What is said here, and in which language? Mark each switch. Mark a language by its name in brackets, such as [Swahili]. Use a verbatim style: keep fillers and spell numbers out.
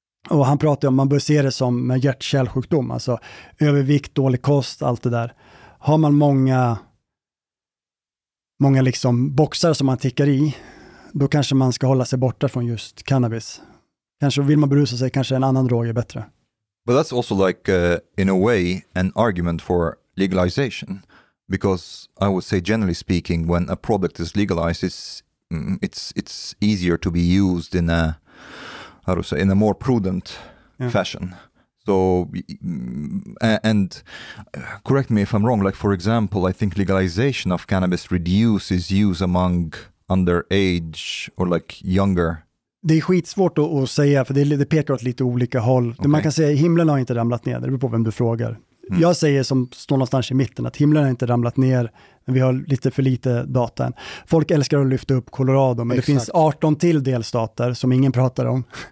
[Swedish] Och han pratar om, man bör se det som hjärt-kärlsjukdom. Alltså övervikt, dålig kost, allt det där. Har man många, många liksom boxar som man tickar i, då kanske man ska hålla sig borta från just cannabis. Kanske vill man berusa sig, kanske en annan drog är bättre. [English] But that's also like, uh, in a way, an argument for legalization. Because I would say, generally speaking, when a product is legalized, it's it's it's easier to be used in a how to say in a more prudent yeah. fashion. So, and correct me if I'm wrong. Like for example, I think legalization of cannabis reduces use among underage or like younger. [Swedish] Det är skitsvårt att säga, för det pekar åt lite olika håll. Okay. Man kan säga himlen har inte ramlat ner. Det beror på vem du frågar. Mm. Jag säger som står någonstans i mitten att himlen har inte ramlat ner, men vi har lite för lite data än. Folk älskar att lyfta upp Colorado, men Exakt. det finns arton till delstater som ingen pratar om.